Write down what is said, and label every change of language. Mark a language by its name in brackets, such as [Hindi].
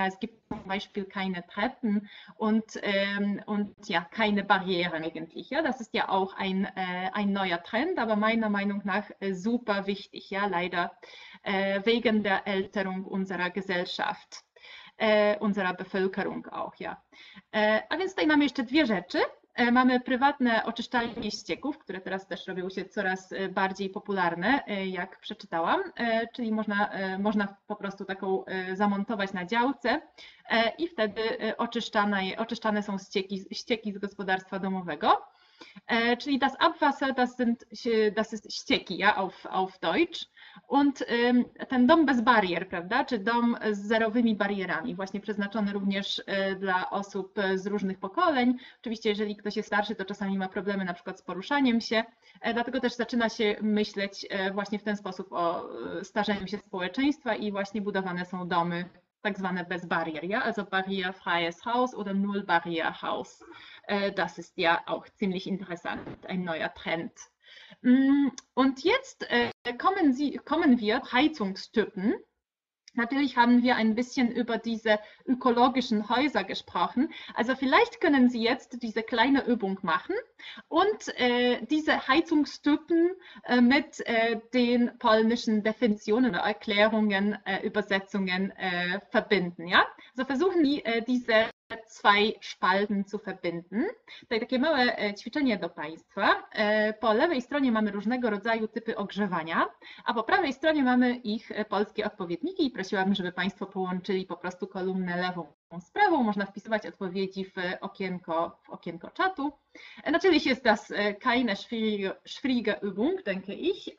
[German] Ja, es gibt zum Beispiel keine Treppen und ja keine Barrieren eigentlich. Ja, das ist ja auch ein neuer Trend, aber meiner Meinung nach super wichtig. Ja, leider wegen der Älterung unserer Gesellschaft. Unserer Bevölkerung auch, ja. [Polish] A więc tutaj mamy jeszcze dwie rzeczy. Mamy prywatne oczyszczalnie ścieków, które teraz też robią się coraz bardziej popularne, jak przeczytałam, czyli można po prostu taką zamontować na działce i wtedy oczyszczane są ścieki z gospodarstwa domowego. [German] Czyli das Abwasser, das ist Ścieki, ja, auf Deutsch. [Polish] Und ten dom bez barier, prawda? Czy dom z zerowymi barierami, właśnie przeznaczony również dla osób z różnych pokoleń. Oczywiście, jeżeli ktoś jest starszy, to czasami ma problemy na przykład z poruszaniem się. Dlatego też zaczyna się myśleć właśnie w ten sposób o starzeniu się społeczeństwa i właśnie budowane są domy tak zwane bez barier. [German] Ja, also barrierfreies Haus oder null barrier Haus. Das ist ja auch ziemlich interessant, ein neuer Trend. Und jetzt kommen wir zu Heizungstypen. Natürlich haben wir ein bisschen über diese ökologischen Häuser gesprochen. Also vielleicht können Sie jetzt diese kleine Übung machen und diese Heizungstypen mit den polnischen Definitionen, Erklärungen, Übersetzungen verbinden. Ja? Also versuchen Sie diese zwei Spalten zu verbinden. [Polish] Tutaj takie małe ćwiczenie do Państwa. Po lewej stronie mamy różnego rodzaju typy ogrzewania, a po prawej stronie mamy ich polskie odpowiedniki i prosiłabym, żeby Państwo połączyli po prostu kolumnę lewą z prawą. Można wpisywać odpowiedzi w okienko czatu. [German] Natürlich ist das keine schwierige Übung, denke ich.